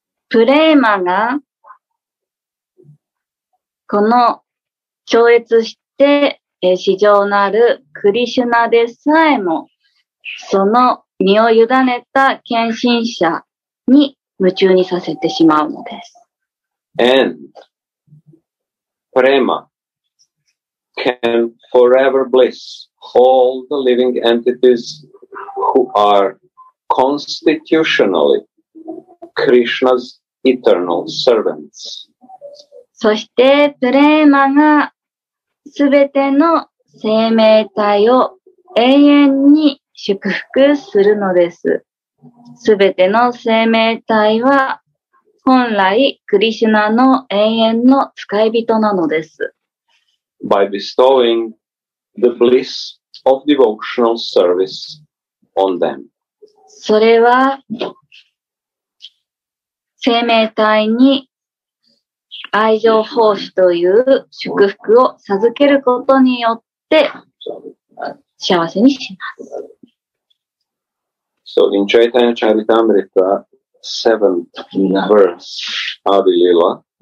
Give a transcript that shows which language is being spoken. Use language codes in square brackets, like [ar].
[ja] Prema がこの超越して至上なるクリシュナでさえもその身を委ねた献身者に夢中にさせてしまうのです。 [en] And prema can forever bless all the living entities who are constitutionally Krishna's eternal servants. [ja] そしてプレーマがすべての生命体を永遠に祝福するのです。すべての生命体は本来クリシュナの永遠の使い人なのです。 [en] By bestowing the bliss of devotional service on them. [ja] それは生命体に愛情奉仕という祝福を授けることによって幸せにします。 [en] So in Chaitanya Charitamrita, 7th verse, Adi Lila.